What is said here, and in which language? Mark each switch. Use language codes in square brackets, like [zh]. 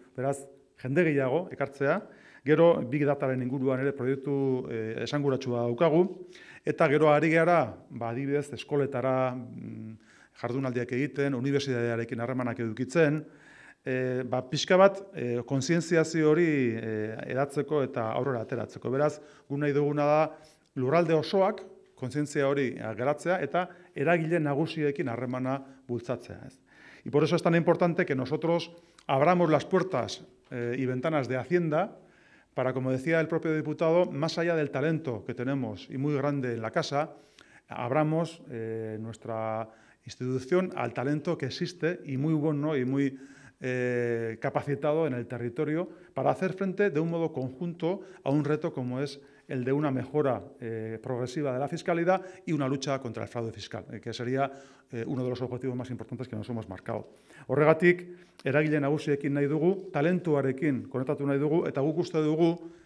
[eu] Beraz, jende gehiago ekartzea. Gero big dataren inguruan ere proiektu esanguratsua daukagu eta gero ari gara, adibidez eskoletara jardunaldiak egiten, unibertsitatearekin harremanak edukitzen, pixka bat kontzientziazio hori edatzeko eta aurrera ateratzeko. Beraz, gu nahi duguna da lurralde osoak kontzientzia hori geratzea eta eragile nagusiekin harremana bultzatzea. [es] Y por eso es tan importante que nosotros abramos las puertas y ventanas de Hacienda para, como decía el propio diputado, más allá del talento que tenemos y muy grande en la casa, abramos nuestra institución al talento que existe y muy bueno y muy capacitado en el territorio para hacer frente de un modo conjunto a un reto como es el de una mejora progresiva de la fiscalidad y una lucha contra el fraude fiscal, que sería uno de los objetivos más importantes que nos hemos marcado. [eu] Horregatik, eragile nagusiekin nahi dugu, talentuarekin konektatu nahi dugu, eta guk uste dugu